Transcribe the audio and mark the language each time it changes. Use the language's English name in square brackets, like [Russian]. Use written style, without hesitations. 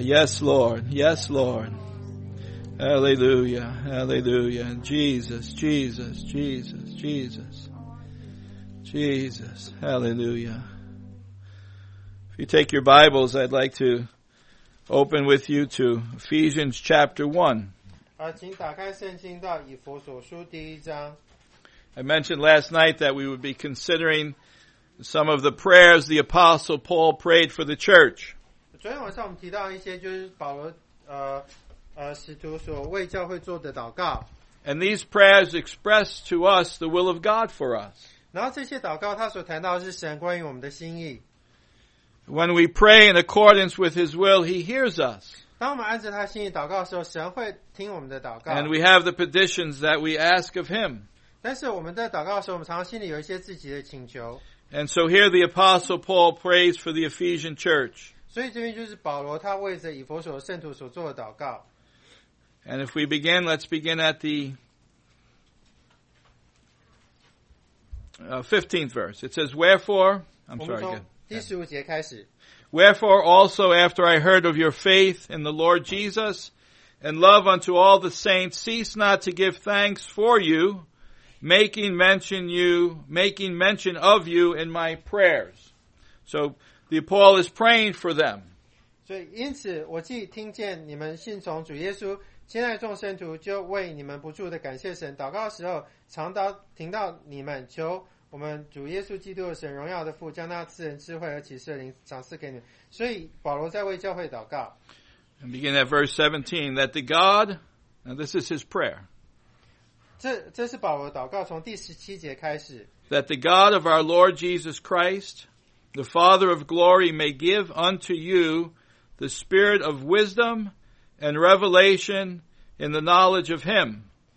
[English] Yes, Lord, yes, Lord. Hallelujah, hallelujah. Jesus, Jesus, Jesus, Jesus. Jesus, hallelujah. If you take your Bibles, I'd like to open with you to Ephesians chapter 1. [Chinese] 请打开圣经到以弗所书第一章。 [English] I mentioned last night that we would be considering some of the prayers the Apostle Paul prayed for the church. [Chinese] 昨天晚上我们提到一些就是保罗使徒所为教会做的祷告。 [English] And these prayers express to us the will of God for us. [Chinese] 然后这些祷告他所谈到的是神关于我们的心意。 [English] When we pray in accordance with His will, He hears us. [Chinese] 当我们按照他心意祷告的时候，神会听我们的祷告。 [English] And we have the petitions that we ask of Him. [Chinese] 但是我们在祷告的时候，我们常常心里有一些自己的请求。 [English] And so here the Apostle Paul prays for the Ephesian church. [Chinese] 所以这边就是保罗他为着以弗所圣徒所做的祷告。 [English] And if we begin, let's begin at the 15th verse. It says, Wherefore, I'm sorry, again. Wherefore also, after I heard of your faith in the Lord Jesus and love unto all the saints, cease not to give thanks for you, making mention of you in my prayers. So, the Paul is praying for them. So, [Chinese] 因此我既听见你们信从主耶稣 现在众圣徒就为你们不住的感谢神，祷告时候常到听到你们求我们主耶稣基督的神荣耀的父，将他赐人智慧和启示的灵赏赐给你们。所以保罗在为教会祷告。 [English] And begin at verse 17, that the God, now this is his prayer. [Chinese] 这是保罗祷告从第十七节开始。 [English] That the God of our Lord Jesus Christ, the Father of glory, may give unto you the spirit of wisdom and revelation in the knowledge of Him.